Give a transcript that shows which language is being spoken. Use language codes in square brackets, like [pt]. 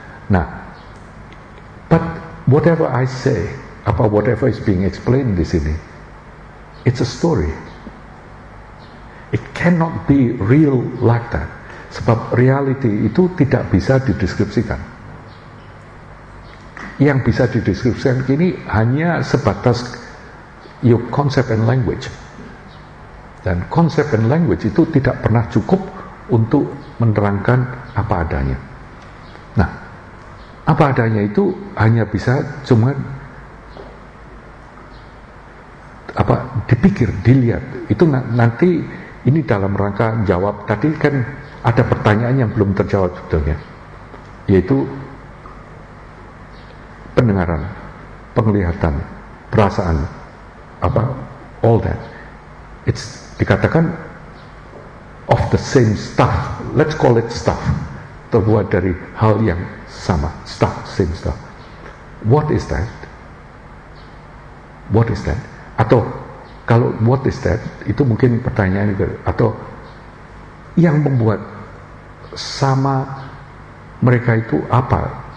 [en] Nah, but whatever I say, apa whatever is being explained [id] di sini, [en] it's a story. It cannot be real like that. [id] Sebab reality itu tidak bisa dideskripsikan. Yang bisa dideskripsikan kini hanya sebatas [en] your concept and language. [id] Dan concept and language itu tidak pernah cukup untuk menerangkan apa adanya. Nah, apa adanya itu hanya bisa cuma apa dipikir, dilihat. Itu nanti ini dalam rangka jawab. Tadi kan ada pertanyaan yang belum terjawab sebetulnya, yaitu pendengaran, penglihatan, perasaan, apa, all that. [en] It's [id] dikatakan [en] of the same stuff. Let's call it stuff. [id] Terbuat dari hal yang sama. [en] Stuff, same stuff. What is that? What is that? [id] Atau kalau [en] what is that? [id] Itu mungkin pertanyaan juga. Atau yang membuat sama mereka itu apa?